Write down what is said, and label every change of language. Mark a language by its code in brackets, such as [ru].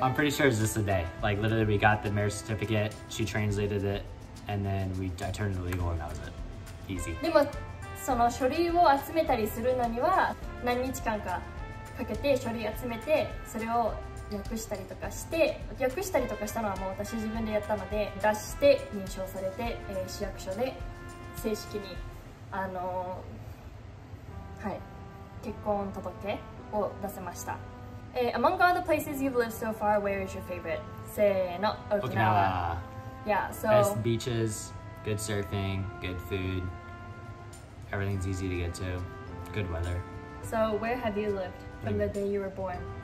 [en] I'm pretty sure it was just a day. Like, literally, we got the marriage certificate, she translated it, and then I turned the legal and that was it. Easy. [ja] でも、その書類を集めたりするのには何日間かかけて書類集めて、それを訳したりとかして、訳したりとかしたのはもう私自分でやったので出して認証されて、市役所で正式に、はい、結婚届を出せました。 [en] Among all the places you've lived so far, where is your favorite? [ja] せーの、 [en] Okinawa. Yeah, so... Best beaches, good surfing, good food. Everything's easy to get to. Good weather. So where have you lived from the day you were born?